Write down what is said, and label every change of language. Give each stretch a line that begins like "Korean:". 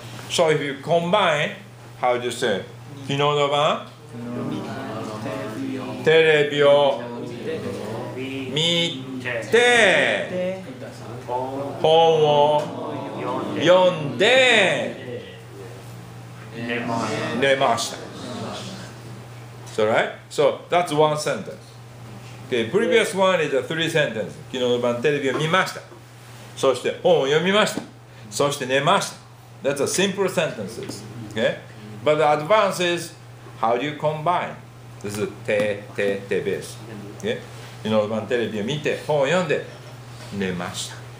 English: So if you combine, how do you say?
Japanese: 昨日の晩テレビを見て本を読んで寝ました。
English: So right? So that's one sentence. Okay, previous one is a three sentence.
Japanese: 昨日の晩テレビを見ました。そして本を読みました。そして寝ました。
English: That's a simple sentence. Okay? But the advance is, how do you combine? This is てベース。Okay?
Japanese: 昨日晩テレビを見て本を読んで寝ました。